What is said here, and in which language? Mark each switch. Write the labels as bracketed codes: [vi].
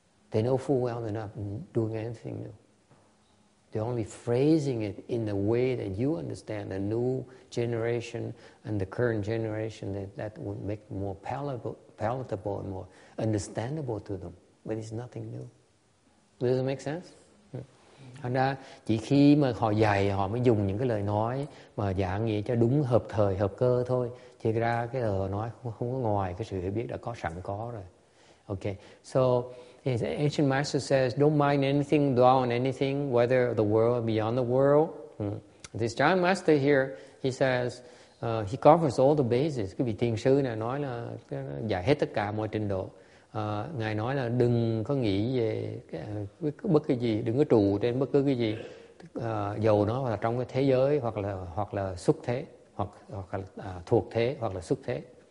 [en] They know full well they're not doing anything new. They're only phrasing it in the way that you understand, the new generation and the current generation, that would make more palatable and more understandable to them. But it's nothing new. Does it make sense? [vi] Thành ra chỉ khi mà họ dạy, họ mới dùng những cái lời nói mà giảng nghĩa cho đúng hợp thời, hợp cơ thôi. Chứ ra cái lời nói không có ngoài cái sự hiểu biết đã có sẵn có rồi. [en] Okay, so the ancient master says, don't mind anything, dwell on anything, whether the world or beyond the world. This giant master here, he says, he covers all the bases. [vi] Cái vị thiền sư này nói là dạy hết tất cả mọi trình độ. Ngài nói là đừng có nghĩ về bất cứ gì, đừng có trụ trên bất cứ cái gì, dầu nó là trong cái thế giới hoặc là xuất thế hoặc là thuộc thế hoặc là xuất thế.